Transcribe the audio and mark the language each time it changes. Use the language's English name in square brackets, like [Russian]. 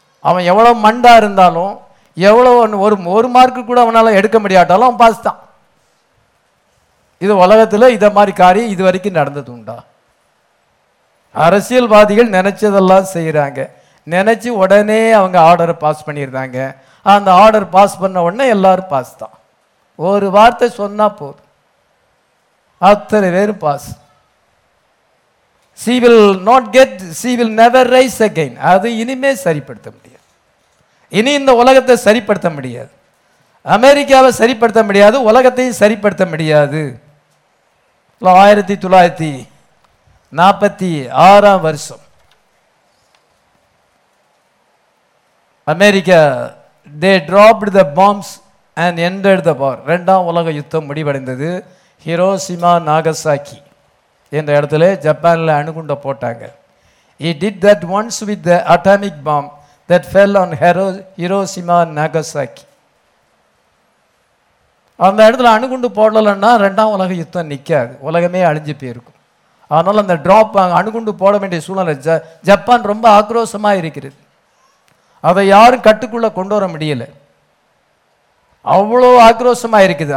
[Tamil] அவன் எவ்வளோ மண்டாக இருந்தாலும் எவ்வளோ ஒரு ஒரு மார்க்கு கூட அவனால் எடுக்க முடியாட்டாலும் அவன் பாஸ் தான். இது உலகத்தில் இதை மாதிரி காரியம் இது வரைக்கும் நடந்தது உண்டா? அரசியல்வாதிகள் நினச்சதெல்லாம் செய்கிறாங்க. நினச்சி உடனே அவங்க ஆர்டரை பாஸ் பண்ணியிருந்தாங்க. அந்த ஆர்டர் பாஸ் பண்ண உடனே எல்லோரும் பாஸ் தான். ஒரு வார்த்தை சொன்னால் போதும், அத்தனை பேரும் pass. [English] She will not get, she will never rise again. [Tamil] அது இனிமே சரிப்படுத்த முடியாது. இனி இந்த உலகத்தை சரிப்படுத்த முடியாது, அமெரிக்காவை சரிப்படுத்த முடியாது, உலகத்தையும் சரிப்படுத்த முடியாது. [English] 1946 [Tamil] வருஷம் America, [English] they dropped the bombs and ended the war. [Tamil] ரெண்டாம் உலக யுத்தம் முடிவடைந்தது. ஹிரோஷிமா நாகசாக்கி என்ற இடத்துல ஜப்பானில் அணுகுண்ட போட்டாங்க. [English] He did that once with the atomic bomb that fell on Hiroshima and Nagasaki. [Tamil] அந்த இடத்துல அணுகுண்டு போடலைன்னா ரெண்டாம் உலக யுத்தம் நிற்காது, உலகமே அழிஞ்சு போயிருக்கும். அதனால் அந்த ட்ராப் அணுகுண்டு போட வேண்டிய சூழ்நிலை, ஜப்பான் ரொம்ப ஆக்ரோஷமாக இருக்கிறது. அதை யாரும் கட்டுக்குள்ளே கொண்டு வர முடியல, அவ்வளோ ஆக்ரோஷமாக இருக்குது.